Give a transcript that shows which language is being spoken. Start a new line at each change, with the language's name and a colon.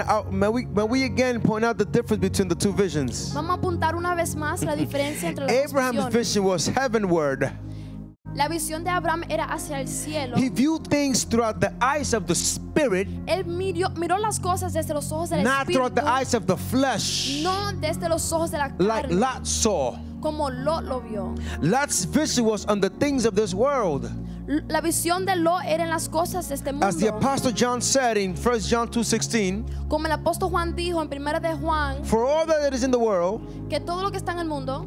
English: May we again point out the difference between the two visions.
Spanish: Vamos a apuntar una vez más la diferencia entre las visiones.
English: Abraham's vision was heavenward.
Spanish: La visión de Abraham era hacia el cielo.
English: He viewed things throughout the eyes of the spirit.
Spanish: Él miró las cosas desde los ojos del espíritu.
English: Not throughout the eyes of the flesh.
Spanish: No desde los ojos de la carne.
English: Like Lot saw.
Spanish: Como Lot lo vio.
English: Lot's vision was on the things of this world.
Spanish: La visión de Lot era en las cosas de este mundo.
English: As the apostle John said in 1 John 2:16.
Spanish: Como el apóstol Juan dijo en 1 de Juan.
English: For all that is in the world.
Spanish: Que todo lo que está en el mundo.